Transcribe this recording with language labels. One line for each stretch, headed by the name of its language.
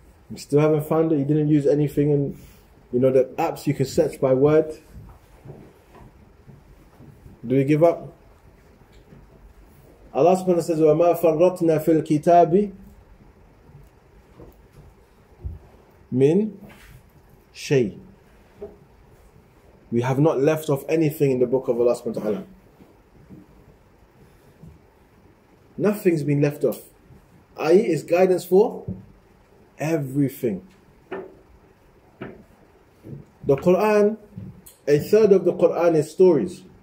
English: You still haven't found it? You didn't use anything in, you know, the apps you can search by word? Do we give up? Allah subhanahu wa ta'ala says,
Arabic: وَمَا فَرَّطْنَا فِي الْكِتَابِ مِنْ شَيْءٍ.
English: We have not left off anything in the book of Allah subhanahu wa ta'ala. Nothing's been left off. I.e. is guidance for everything. The Quran, a third of the Quran is stories.